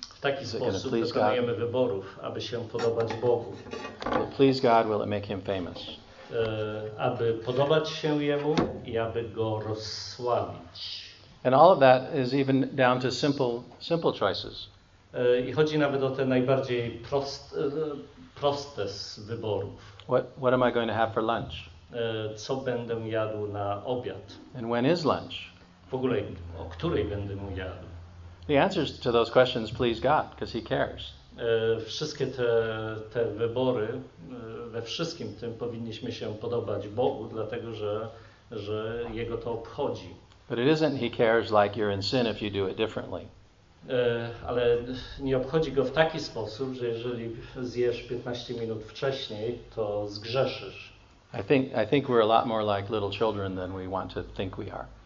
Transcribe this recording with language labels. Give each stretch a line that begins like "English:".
Polish: W taki sposób dokonujemy wyborów, aby się podobać Bogu.
English: Will it please God, will it make him famous?
Polish: Aby podobać się jemu i aby go rozsławić.
English: And all of that is even down to simple choices.
Polish: I chodzi nawet o te najbardziej proste z wyborów.
English: What am I going to have for lunch?
Polish: Co będę jadł na obiad?
English: And when is lunch?
Polish: W ogóle, o której będę mu jadł?
English: The answers to those questions please God, because he cares.
Polish: Wszystkie te wybory, we wszystkim tym powinniśmy się podobać Bogu, dlatego że jego to obchodzi.
English: But it isn't he cares like you're in sin if you do it differently.
Polish: Ale nie obchodzi go w taki sposób, że jeżeli zjesz 15 minut wcześniej, to zgrzeszysz.
English: I think we're a lot more like little children than we want to think we are.